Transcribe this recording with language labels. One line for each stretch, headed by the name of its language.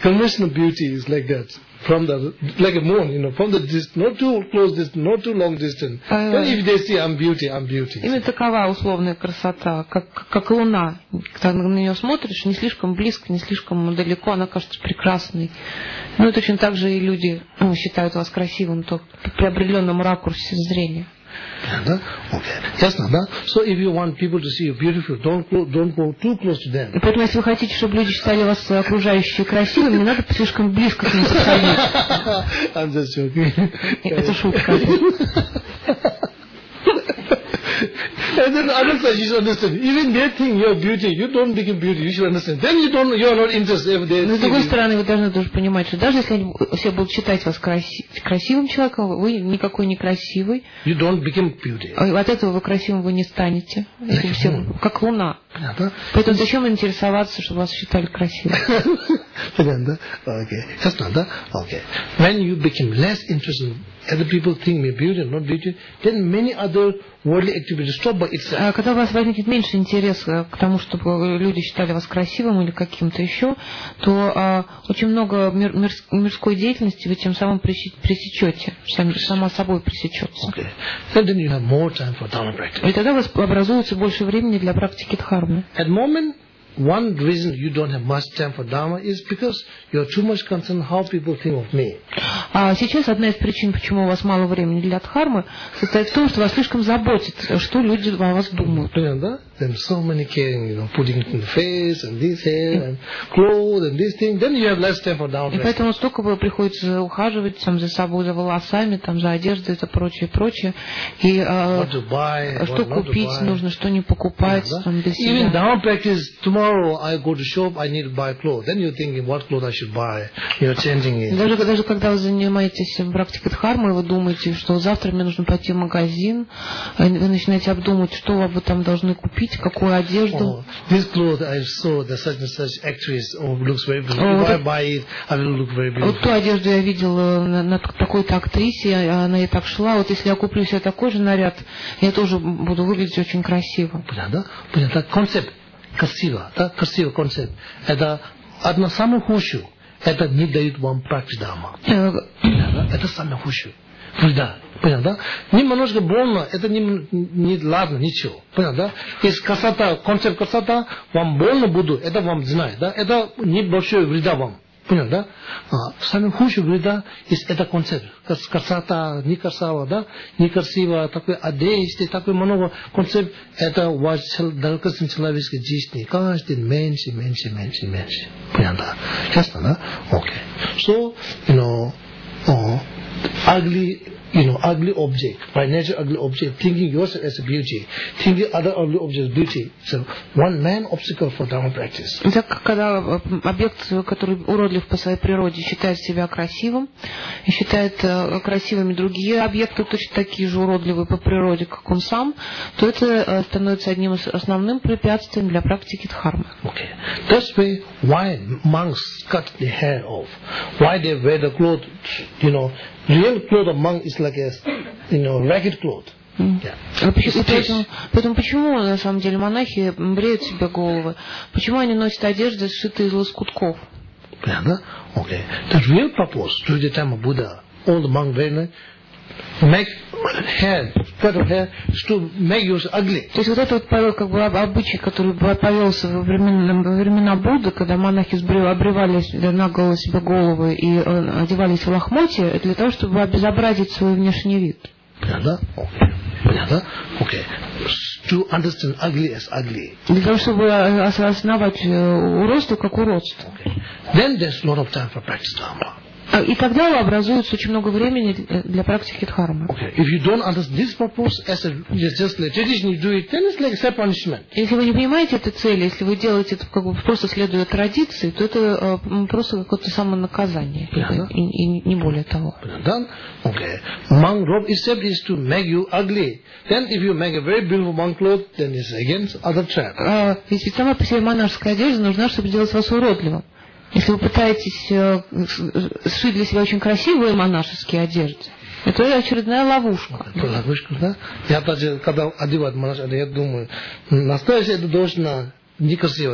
English: Conventional beauty is like that, from the like a moon, you know, from the distance, not too close distance, not too long distance. But if they see, I'm beauty.
Russian: Именно такова условная красота, как луна. Когда на нее смотришь, не слишком близко, не слишком далеко, она кажется прекрасной. Ну, точно так же и люди считают вас красивым, то при определенном ракурсе зрения. Да? Okay. Ясно, да?
English: So if you want people to see you beautiful, don't go too close to them.
Russian: Поэтому, если вы хотите, чтобы люди считали вас окружающими красивыми, не надо слишком близко к ним подходить.
English: I'm just joking.
Russian: Это шутка.
English: And then other side, you should understand. Even they think you're beauty, you don't become beauty. You should understand. Then you don't, you are not interested if they.
Russian: Но с другой стороны, вы должны тоже понимать, что даже если они все будут считать вас красивым человеком, вы никакой не красивый.
English: You don't become beauty.
Russian: От этого вы красивым вы не станете. Если все, как луна. Понятно. Поэтому зачем интересоваться, чтобы вас считали красивым? Понятно. Okay. Ясно, да? Okay.
English: When you become less interested, other people think me beauty, not beauty. Then many other worldly activities stop by itself.
Russian: Когда у вас возникнет меньше интереса к тому, чтобы люди считали вас красивым или каким-то еще, то очень много мирской деятельности вы тем самым пресечете, сама собой пресечется.
English: Okay. And then you have more time for dharma practice.
Russian: И тогда у вас образуется больше времени для практики дхармы.
English: At the moment, one reason you don't have much time for dharma is because you're too much concerned how people think of me.
Russian: Сейчас одна из причин, почему у вас мало времени для дхармы, состоит в том, что вас слишком заботит, что люди о вас думают. Понятно, да?
English: Then so many caring, you know, putting in the face and this hair and clothes and this thing, then you have less time for dharma.
Russian: И поэтому столько было приходится ухаживать там за собой, за волосами, там за одеждой, за прочее, прочее. И что купить нужно, что не покупать, там для себя.
English: Even dharma practice. Tomorrow I go to shop, I need to buy clothes. Then you're thinking what clothes I should buy. You're changing it.
Russian: Даже когда вы занимаетесь практикой дхармы, вы думаете, что завтра мне нужно пойти в магазин, вы начинаете обдумывать, что вы там должны купить, какую одежду.
English: Oh, this clothes I saw the such and such actress looks very beautiful. If I buy it, I will look very beautiful.
Russian: Вот ту одежду я видела на такой-то актрисе, она и так шла. Вот если я куплю себе такой же наряд, я тоже буду выглядеть очень красиво. Понятно? Понятно. Концепт. Красиво, да? Красиво концепт. Это одно самое худшее. Это не дает вам практики дхармы. Это самое худшее. Вреда. Понятно, да? Немножко больно, это не ладно, ничего. Понятно, да? Если красота, концепт красота, вам больно будет, это вам знает, да? Это небольшое вреда вам. Понятно, да? Самое худшее вреда, если это концепт. Красота, некрасиво, да? Некрасиво, такой одежды, такой много концепт. Это ваш далекостный человеческий жизнь. Каждый день меньше, меньше, меньше, меньше. Понятно, да? Ясно, да? Окей. Okay.
English: So, you know, ugly object, by nature ugly object, thinking yourself as a beauty, thinking other ugly objects as beauty. So one main obstacle for dharma practice.
Russian: Итак, когда объект, который уродлив по своей природе, считает себя красивым, и считает красивыми другие объекты, точно такие же уродливые по природе, как он сам, то это становится одним из основным препятствием для практики дхармы.
English: Okay. That's why monks cut the hair off. Why they wear the clothes, you know, real clothes of monk is like a, you know, ragged clothes. Yeah.
Russian: Поэтому почему на самом деле монахи бреют себе головы? Почему они носят одежды, сшитые из лоскутков? Понятно? Да? Okay.
English: The real purpose during the time of Buddha, all the monks were make hair, cut of hair, to make you ugly.
Russian: То есть вот это вот как бы обычай, который появился во времена Будды, когда монахи обривали наголо себе головы и одевались в лохмотья, это для того, чтобы обезобразить свой внешний вид. Понятно? Окей. Понятно? Окей.
English: To understand ugly as ugly.
Russian: Для того, чтобы осознавать уродство как уродство.
English: Okay. Then there's a lot of time for practice dharma.
Russian: И тогда образуется очень много времени для практики дхармы.
English: Okay. If you don't understand this purpose as a just like traditionally do it, then it's like self-punishment.
Russian: Если вы не понимаете этой цели, если вы делаете это как бы просто следуя традиции, то это просто какое-то самонаказание.
English: Yeah.
Russian: И не более того.
English: Yeah. Okay. Monk robe itself is to make you ugly. Then if you make a very beautiful monk cloth, then it's against other trap.
Russian: Если сама по себе монашеская одежда нужна, чтобы делать вас уродливым. Если вы пытаетесь сшить для себя очень красивые монашеские одежды, Это очередная ловушка. Это ловушка, да? Я даже, когда одеваю монашку, я думаю, настоящая это должна некрасиво.